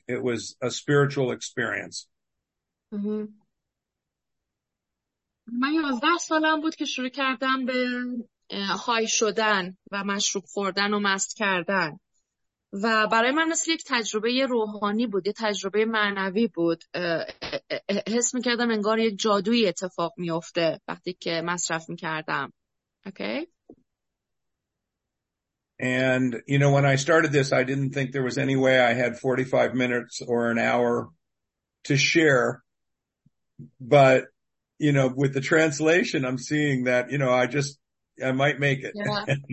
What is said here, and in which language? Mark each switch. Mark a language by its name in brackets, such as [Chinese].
[English] It was a spiritual experience. [Persian] من 11 سالم بود که شروع کردم به های شدن و مشروب خوردن و مست کردن. و برای من مثل یک تجربه روحانی بود، یک تجربه معنوی بود. حس میکردم انگار یک جادوی اتفاق میفته وقتی که مصرف میکردم. [English] Okay. And you know, when I started this, I didn't think there was any way I had 45 minutes or an hour to share. But you know, with the translation, I'm seeing that, you know, I might make it. Yeah.